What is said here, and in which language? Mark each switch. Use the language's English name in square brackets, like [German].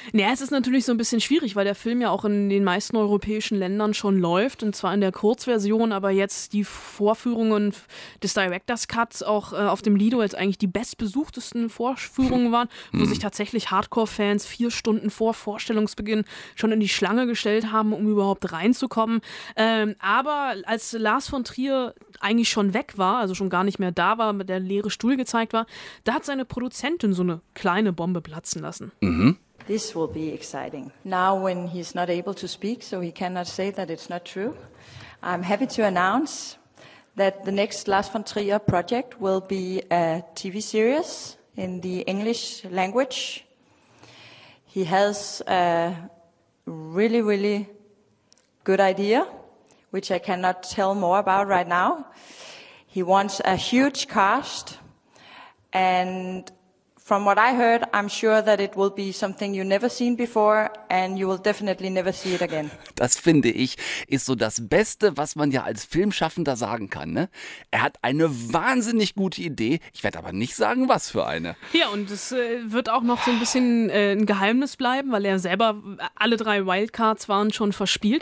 [German] Naja, es ist natürlich so ein bisschen schwierig, weil der Film ja auch in den meisten europäischen Ländern schon läuft und zwar in der Kurzversion, aber jetzt die Vorführungen des Director's Cuts auch auf dem Lido als eigentlich die bestbesuchtesten Vorführungen waren, wo sich tatsächlich Hardcore-Fans 4 Stunden vor Vorstellungsbeginn schon in die Schlange gestellt haben, um überhaupt reinzukommen. Aber als Lars von Trier eigentlich schon weg war, also schon gar nicht mehr da war, der leere Stuhl gezeigt war, da hat seine Produzentin so eine kleine Bombe platzen lassen. [English] This will be exciting. Now when he's not able to speak, so he cannot say that it's not true, I'm happy to announce that the next Lars von Trier project will be a TV series in the English language. He has a really, really good idea, which I cannot tell more about right now. He wants a huge cast, and from what I heard, I'm sure that it will be something you never seen before and you will definitely never see it again. [German] Das finde ich, ist so das Beste, was man ja als Filmschaffender sagen kann. Ne? Er hat eine wahnsinnig gute Idee, ich werde aber nicht sagen, was für eine. Ja, und es wird auch noch so ein bisschen ein Geheimnis bleiben, weil er selber, alle 3 Wildcards waren schon verspielt.